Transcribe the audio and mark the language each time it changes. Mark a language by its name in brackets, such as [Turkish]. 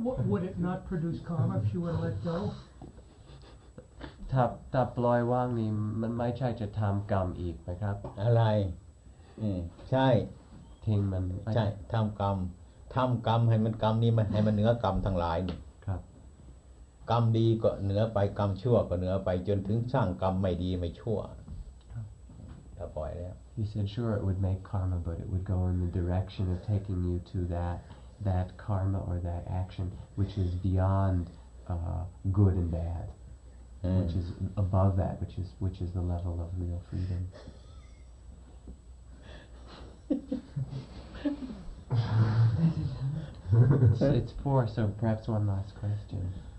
[English] would it not produce calm if you were let go? [Thai] ถ้าปล่อยวางนี่มันไม่ใช่จะทำกรรมอีกไหมครับ อะไรใช่ทิ้งมัน ใช่ทำกรรมให้มันกรรมนี่ให้มันเหนือกรรมทั้งหลายกรรมดีก็เหนือไปกรรมชั่วก็เหนือไปจนถึงสร้างกรรมไม่ดีไม่ชั่วถ้าปล่อยแล้ว [English] He said sure it would make karma but it would go in the direction of taking you to that karma or that action which is beyond good and bad which is above that which is the level of real freedom it's four so perhaps one last question